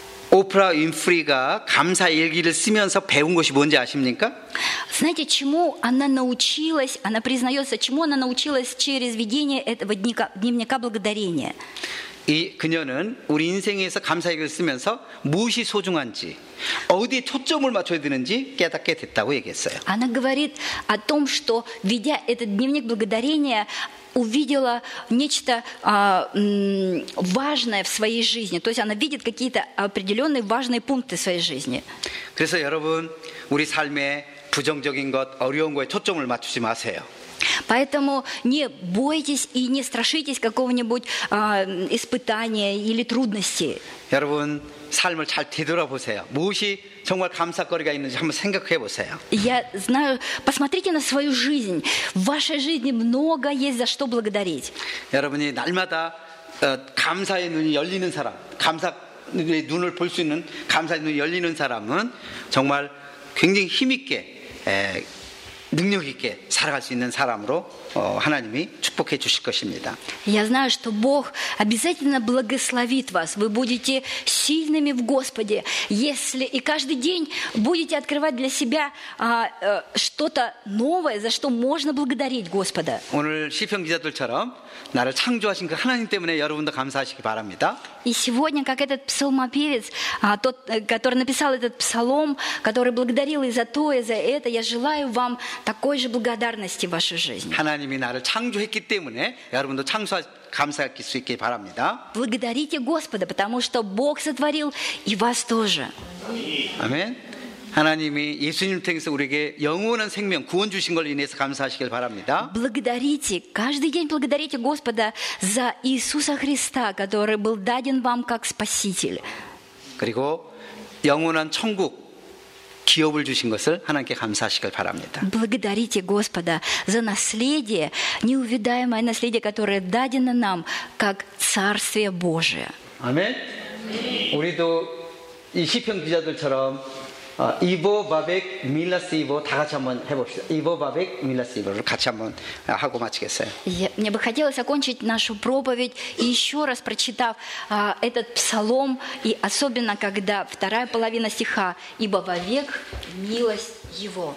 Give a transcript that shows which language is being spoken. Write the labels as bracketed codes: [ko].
[ko] 오프라 윈프리가 감사 일기를 쓰면서 배운 것이 뭔지 아십니까? [ru] Знаете, чему она научилась? Она признается, чему она научилась через ведение этого дневника благодарения? [ko] 이 그녀는 우리 인생에서 감사일기를 쓰면서 무엇이 소중한지 어디에 초점을 맞춰야 되는지 깨닫게 됐다고 얘기했어요. [ru] Она говорит о том, что ведя этот дневник благодарения, увидела нечто важное в своей жизни. То есть она видит какие-то определенные важные пункты в своей жизни. [ko] 그래서 여러분, 우리 삶에 부정적인 것, 어려운 것에 초점을 맞추지 마세요. [ru] Поэтому не бойтесь и не страшитесь какого-нибудь испытания или трудности. [ko] 여러분, 삶을 잘 되돌아보세요. 무엇이 정말 감사거리가 있는지 한번 생각해 보세요. [ru] Я знаю, посмотрите на свою жизнь. В вашей жизни много есть за что благодарить. [ko] 여러분이 날마다 감사의 눈이 열리는 사람, 감사의 눈을 볼 수 있는 감사의 눈이 열리는 사람은 정말 굉장히 힘 있게 능력 있게 살아갈 수 있는 사람으로 하나님이 축복해 주실 것입니다. [ru] Я знаю, что Бог обязательно благословит вас. Вы будете сильными в Господе, если и каждый день будете открывать для себя что-то новое, за что можно благодарить Господа. [ko] 오늘 시편 기자들처럼 나를 창조하신 그 하나님 때문에 여러분도 감사하시기 바랍니다. [ru] И сегодня, как этот псалмопевец, тот, который написал этот псалом, который благодарил и за то, и за это, я желаю вам такой же благодарности в вашей жизни. [ko] 하나님이 나를 창조했기 때문에 여러분도 감사할 수 있길 바랍니다. [ru] Благодарите Господа, потому что Бог сотворил и вас тоже. [ko] 아멘. 하나님이 예수님을 통해서 우리에게 영원한 생명, 구원 주신 걸 인해서 감사하시길 바랍니다. [ru] Благодарите, каждый день благодарите Господа за Иисуса Христа, который был даден вам как спаситель. [ko] 그리고 영원한 천국 기업을 주신 것을 하나님께 감사하시길 바랍니다. [ru] Благодарите Господа за наследие, неувидаемое наследие, которое дадено нам как Царствие Божие. [ko] 아멘. 우리도 이 시편 기자들처럼 이보 바벡 밀라스 이보 다 같이 한번 해봅시다. 이보 바벡 밀라스 이보를 같이 한번 하고 마치겠어요. [ru] Мне бы хотелось закончить нашу проповедь еще раз прочитав этот псалом и особенно когда вторая половина стиха ибо вовек милость его.